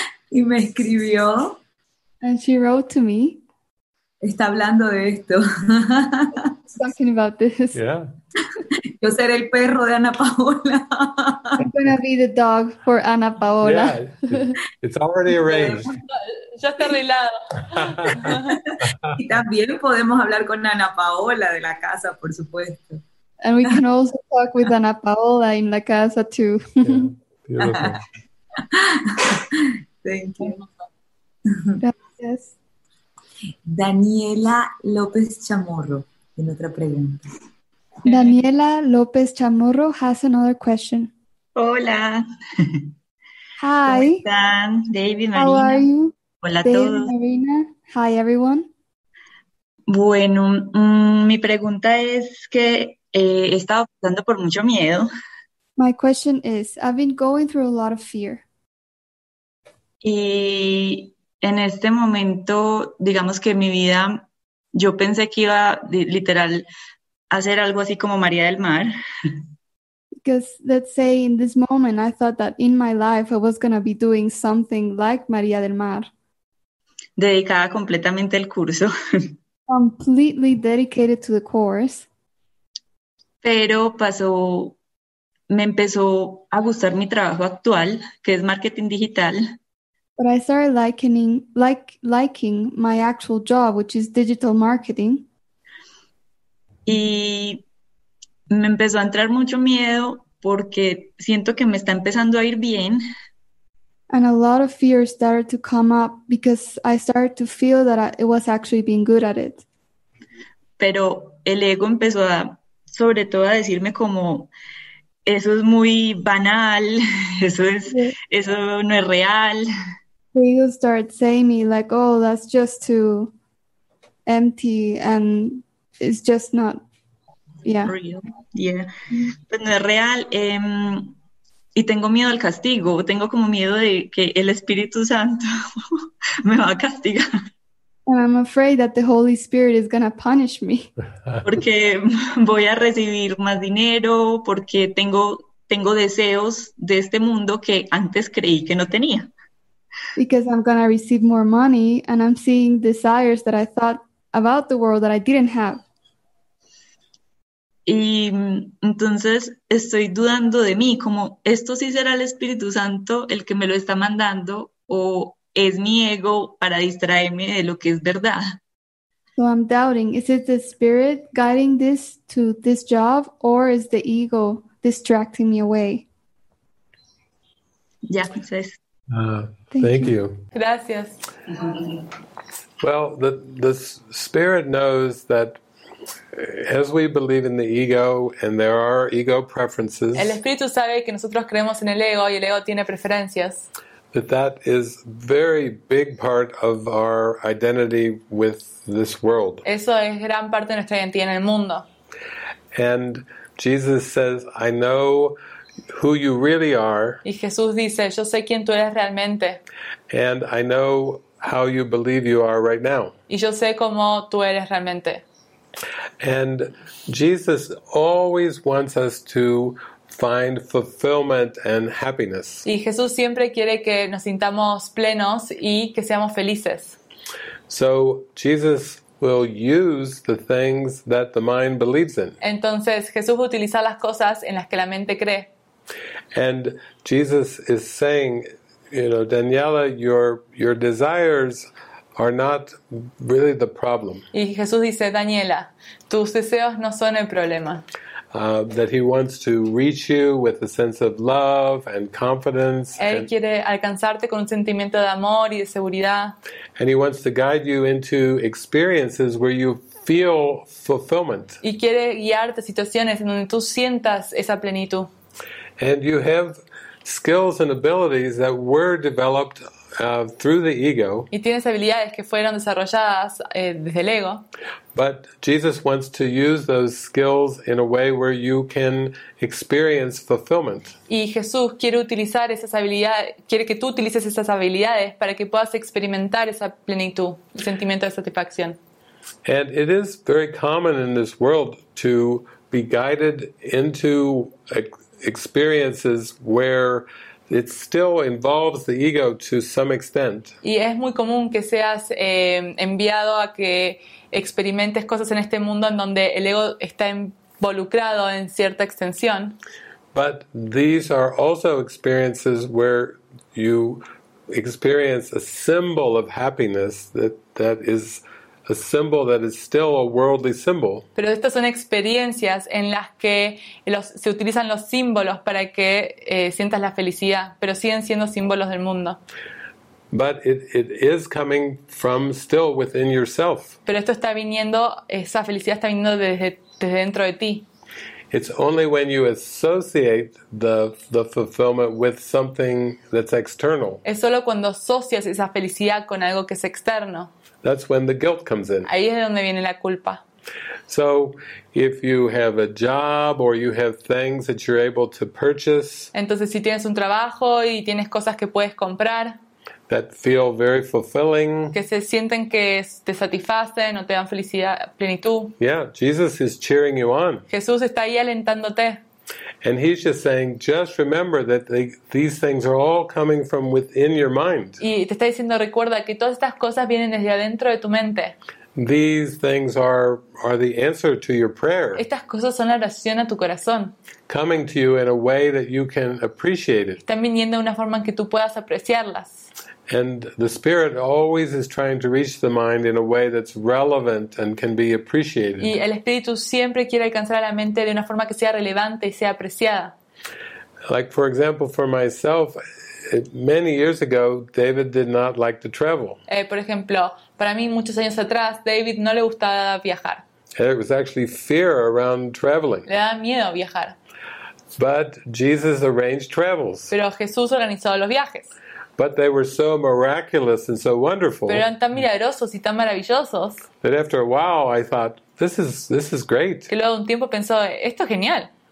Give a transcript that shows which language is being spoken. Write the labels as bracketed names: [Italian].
[Spanish] Y me escribió. [English] And she wrote to me. [Spanish] Está hablando de esto. [English] She's talking about this. Yeah. [Spanish] Yo seré el perro de Ana Paola. [English] I'm going to be the dog for Ana Paola. Yeah, it's already arranged. [Spanish] Ya está arreglado. Y también podemos hablar con Ana Paola de la casa, por supuesto. [English] And we can also talk with Ana Paola in [Spanish] la casa [English] too. Yeah, beautiful. Thank you. [Spanish] Gracias. Daniela López Chamorro, en otra pregunta. [English] Daniela López Chamorro has another question. [Spanish] Hola. [English] Hi. [Spanish] ¿Cómo están? David, Marina. [English] How are you? [Spanish] Hola a todos. [English] Marina. Hi, everyone. [Spanish] Bueno, mi pregunta es que he estado pasando por mucho miedo. [English] My question is, I've been going through a lot of fear. [Spanish] Y en este momento, digamos que mi vida, yo pensé que iba literal a hacer algo así como María del Mar. [English] Because let's say in this moment, I thought that in my life, I was going to be doing something like María del Mar. [Spanish] Dedicada completamente al curso. [English] Completely dedicated to the course. [Spanish] Pero pasó, me empezó a gustar mi trabajo actual, que es marketing digital. [English] But I started liking my actual job, which is digital marketing. [Spanish] Y me empezó a entrar mucho miedo porque siento que me está empezando a ir bien. [English] And a lot of fear started to come up because I started to feel that it was actually being good at it. [Spanish] Pero el ego empezó a, sobre todo a decirme como, eso es muy banal, eso no es real. [English] The ego started saying me like, oh, that's just too empty and it's just not, yeah. Real, yeah. [Spanish] Pues no es real, y tengo miedo al castigo, tengo como miedo de que el Espíritu Santo me va a castigar. [English] I'm afraid that the Holy Spirit is going to punish me. [Spanish] Porque voy a recibir más dinero, porque tengo deseos de este mundo que antes creí que no tenía. [English] Because I'm going to receive more money and I'm seeing desires that I thought about the world that I didn't have. [Spanish] Y entonces estoy dudando de mí, como esto sí será el Espíritu Santo el que me lo está mandando o es mi ego para distraerme de lo que es verdad. [English] So I'm doubting, is it the Spirit guiding this to this job or is the ego distracting me away? [Spanish] Ya, yeah, entonces. [English] Thank you. [Spanish] Gracias. [English] Well, the Spirit knows that as we believe in the ego and there are ego preferences. [Spanish] El espíritu sabe que nosotros creemos en el ego tiene preferencias. [English] That is a very big part of our identity with this world. [Spanish] Eso es gran parte de nuestra identidad en el mundo. [English] And Jesus says, I know who you really are. [Spanish] Y Jesús dice, yo sé quién tú eres realmente. [English] And I know how you believe you are right now. [Spanish] Y yo sé cómo tú eres realmente. [English] And Jesus always wants us to find fulfillment and happiness. [Spanish] Y Jesús siempre quiere que nos sintamos plenos y que seamos felices. [English] So Jesus will use the things that the mind believes in. [Spanish] Entonces Jesús utiliza las cosas en las que la mente cree. [English] And Jesus is saying, you know, Daniela, your desires are not really the problem. [Spanish] Y Jesús dice, Daniela, tus deseos no son el problema. [English] That he wants to reach you with a sense of love and confidence. [Spanish] Él quiere alcanzarte con un sentimiento de amor y de seguridad. [English] And he wants to guide you into experiences where you feel fulfillment. [Spanish] Y quiere guiarte a situaciones en donde tú sientas esa plenitud. [English] And you have skills and abilities that were developed through the ego. [Spanish] Y tienes habilidades que fueron desarrolladas desde el ego. [English] But Jesus wants to use those skills in a way where you can experience fulfillment. [Spanish] Y Jesús quiere utilizar esas habilidades, quiere que tú utilices esas habilidades para que puedas experimentar esa plenitud, el sentimiento de satisfacción. [English] And it is very common in this world to be guided into experiences where it still involves the ego to some extent. [Spanish] Y es muy común que seas enviado a que experimentes cosas en este mundo en donde el ego está involucrado en cierta extensión. [English] But these are also experiences where you experience a symbol of happiness that is a symbol that is still a worldly symbol. [Spanish] Pero estas son experiencias en las que se utilizan los símbolos para que sientas la felicidad, pero siguen siendo símbolos del mundo. [English] But it is coming from still within yourself. [Spanish] Pero esto está viniendo, esa felicidad está viniendo desde dentro de ti. [English] It's only when you associate the fulfillment with something that's external. [Spanish] Es solo cuando asocias esa felicidad con algo que es externo. [English] That's when the guilt comes in. [Spanish] Ahí es donde viene la culpa. [English] So, if you have a job or you have things that you're able to purchase. [Spanish] Entonces, si tienes un trabajo y tienes cosas que puedes comprar. [English] That feel very fulfilling. [Spanish] Que se sienten que te satisfacen o te dan felicidad, plenitud. [English] Yeah, Jesus is cheering you on. [Spanish] Jesús está ahí alentándote. [English] And he's just saying, just remember that these things are all coming from within your mind. [Spanish] Y te está diciendo, recuerda que todas estas cosas vienen desde adentro de tu mente. [English] These things are the answer to your prayer. [Spanish] Estas cosas son la oración a tu corazón. [English] Coming to you in a way that you can appreciate it. [Spanish] Están viniendo de una forma en que tú puedas apreciarlas. [English] And the spirit always is trying to reach the mind in a way that's relevant and can be appreciated. [Spanish] Y el espíritu siempre quiere alcanzar a la mente de una forma que sea relevante y sea apreciada. [English] Like for example, for myself, many years ago, David did not like to travel. [Spanish] Por ejemplo, para mí muchos años atrás, David no le gustaba viajar. [English] It was actually fear around traveling. [Spanish] Le daba miedo viajar. [English] But Jesus arranged travels. [Spanish] Pero Jesús organizó los viajes. [English] But they were so miraculous and so wonderful. [Spanish] Pero eran tan milagrosos y tan maravillosos. [English] That after a while, I thought, this is great. [Spanish] Que luego un tiempo pensó, esto es genial.